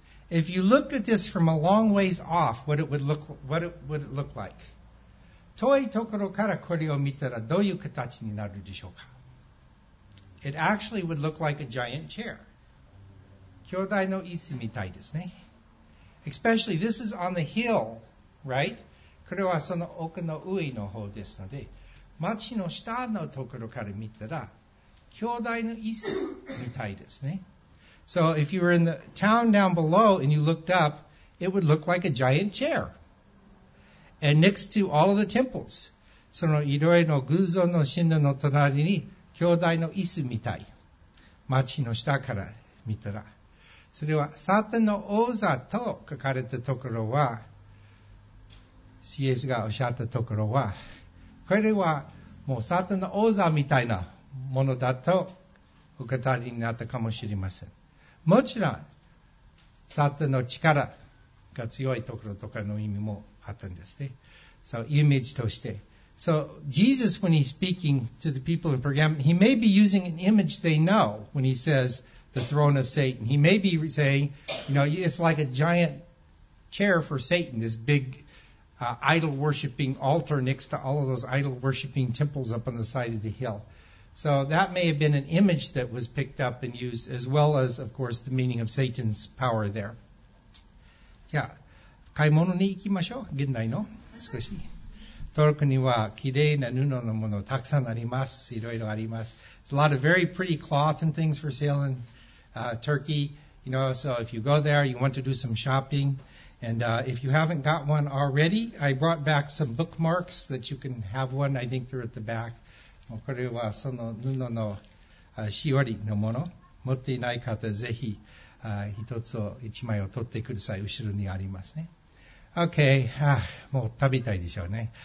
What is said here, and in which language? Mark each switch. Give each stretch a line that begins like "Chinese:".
English: If you looked at this from a long ways off, what would it look like?
Japanese: 遠いところからこれを見たらどういう形になるでしょうか?
English: It actually would look like a giant chair.
Japanese: 巨大の椅子みたいですね。
English: Especially, this is on the hill, right?
Japanese: これはその丘の上の方ですので、町の下のところから見たら巨大の椅子みたいですね。
English: So if you were in the town down below and you looked up, it would look like a giant chair. And next to all of the temples,
Japanese: そのいろいろの偶像の神殿の隣に巨大の椅子みたい。町の下から見たら。それはサタンの王座と書かれたところは、シエスがおっしゃったところは、これはもうサタンの王座みたいなものだとお語りになったかもしれません。もちろん、サタンの力が強いところとかの意味もあったんですね。 So, イメージとして。
English: So, Jesus, when he's speaking to the people in Pergamon, he may be using an image they know when he says the throne of Satan. He may be saying, you know, it's like a giant chair for Satan, this big idol-worshipping altar next to all of those idol-worshipping temples up on the side of the hill. So that may have been an image that was picked up and used, as well as, of course, the meaning of Satan's power there.
Japanese: じゃあ、買い物に行きましょう。現代の少し。トルコには綺麗な布のものたくさんあります。いろいろあります。
English: There's a lot of very pretty cloth and things for sale in Turkey. You know, so if you go there, you want to do some shopping. And if you haven't got one already, I brought back some bookmarks that you can have one. I think they're at the back.
Japanese: これはその布のしおりのもの。持っていない方、ぜひ一つを、一枚を取ってください。後ろにありますね。
English: Okay.
Japanese: もう食べたいでしょうね。